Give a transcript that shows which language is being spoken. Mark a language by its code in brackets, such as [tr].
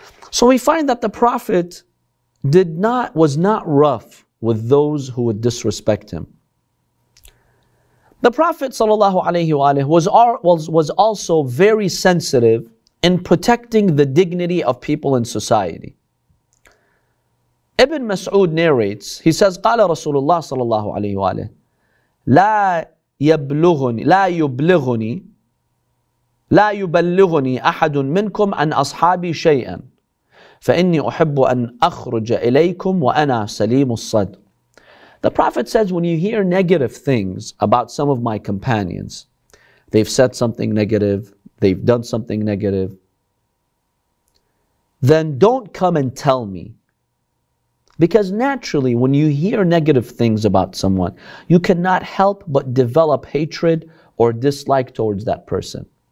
[en] So we find that the Prophet was not rough with those who would disrespect him. The Prophet sallallahu alaihi wa alayhi was also very sensitive in protecting the dignity of people in society. Ibn Mas'ud narrates, he says, [ar] قَالَ رَسُولُ اللَّهِ صَلَى اللَّهُ عَلَيْهِ وَعَلَيْهِ لَا يُبَلِّغُنِي أَحَدٌ مِنْكُمْ عَنْ أَصْحَابِي شَيْئًا فَإِنِّي أُحِبُّ أَنْ أَخْرُجَ إِلَيْكُمْ وَأَنَا سَلِيمُ الصَّدْ. [en] The Prophet says, when you hear negative things about some of my companions, they've said something negative, they've done something negative, then don't come and tell me. Because naturally, when you hear negative things about someone, you cannot help but develop hatred or dislike towards that person.